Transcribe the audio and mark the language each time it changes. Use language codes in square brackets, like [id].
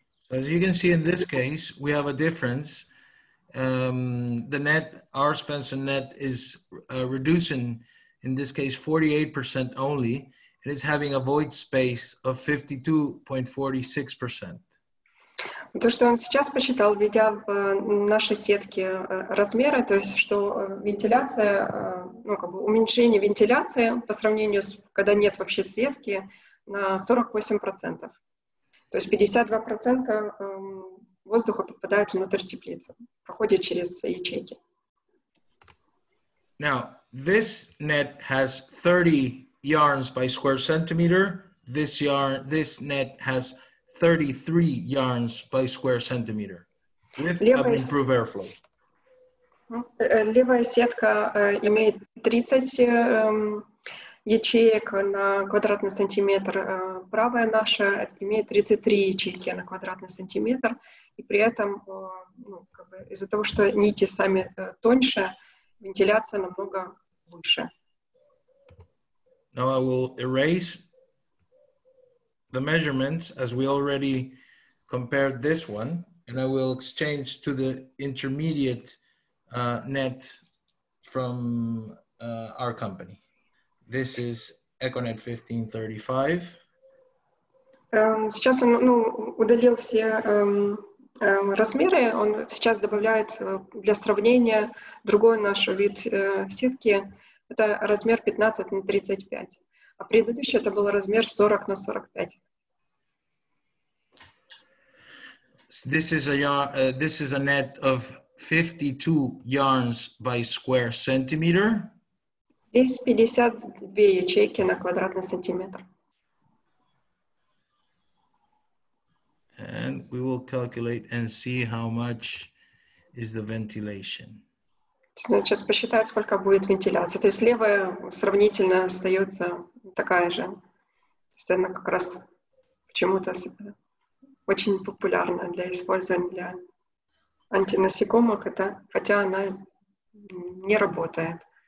[en] So as you can see in this case, we have a difference. The net, our Svensson net is reducing, in this case, 48% only, and it's having a void space of 52.46%. [ru] То, что он сейчас посчитал, введя в наши сетки размеры, то есть что вентиляция, ну, как бы уменьшение вентиляции по сравнению с, когда нет вообще сетки, на 48%. То есть 52% воздуха попадает внутрь теплицы, проходит через ячейки. [en] Now, this net has 30 yarns by square centimeter. This net has 33 yarns by square centimeter. With improved airflow. [ru] Левая сетка имеет 30 ячеек на квадратный сантиметр. Правая наша имеет 33 ячейки на квадратный сантиметр. И при этом из-за того, что нити сами тоньше, вентиляция намного выше. [en] Now I will erase the measurements as we already compared this one. And I will exchange to the intermediate net from our company. This is Econet 1535. [ru] Сейчас он удалил все размеры. Он сейчас добавляет для сравнения другой наш вид сетки. Это размер 15 на 35. А предыдущий это был размер 40 на 45. [en] This is a net of 52 yarns by square centimeter. [ru] Здесь 52 ячейки на квадратный сантиметр. [en] And we will calculate and see how much is the ventilation. [ru] Сейчас посчитаем, сколько будет вентиляция. То есть левая сравнительно остается такая же. То есть она как раз почему-то очень популярна для использования для антинасекомых, это, хотя она не работает.